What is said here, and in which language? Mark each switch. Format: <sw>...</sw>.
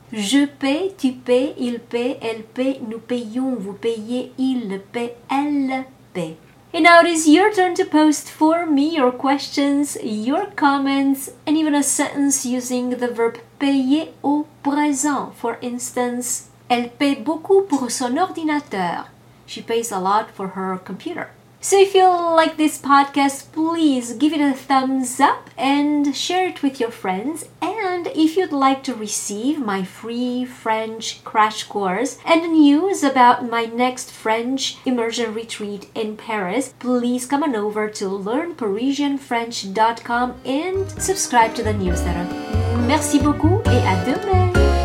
<fr>Je paie, tu paies, il paie, elle paie, nous payons, vous payez, il paie, elle paie.</fr> <en>And now it is your turn to post for me your questions, your comments, and even a sentence using the verb</en> <fr>payer au présent.</fr> <en>For instance,</en> <fr>elle paie beaucoup pour son ordinateur.</fr> <en>She pays a lot for her computer. So if you like this podcast, please give it a thumbs up and share it with your friends. And if you'd like to receive my free French crash course and news about my next French immersion retreat in Paris, please come on over to learnparisianfrench.com and subscribe to the newsletter.</en> <fr>Merci beaucoup et à demain!</fr>